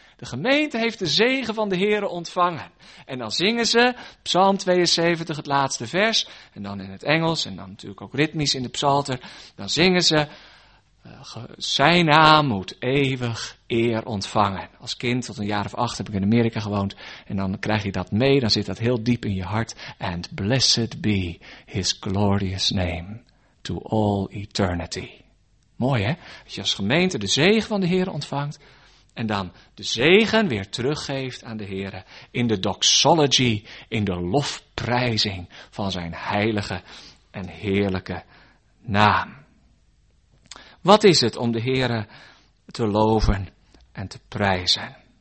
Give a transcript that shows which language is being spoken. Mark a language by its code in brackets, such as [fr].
[nl] De gemeente heeft de zegen van de Heere ontvangen. En dan zingen ze Psalm 72, het laatste vers. En dan in het Engels en dan natuurlijk ook ritmisch in de psalter. Dan zingen ze, zijn naam moet eeuwig eer ontvangen. Als kind, tot een jaar of 8, heb ik in Amerika gewoond. En dan krijg je dat mee, dan zit dat heel diep in je hart. [en] And blessed be his glorious name to all eternity. [nl] Mooi, hè? Als je als gemeente de zegen van de Heer ontvangt en dan de zegen weer teruggeeft aan de Heer in de doxology, in de lofprijzing van zijn heilige en heerlijke naam. Wat is het om de Heer te loven en te prijzen?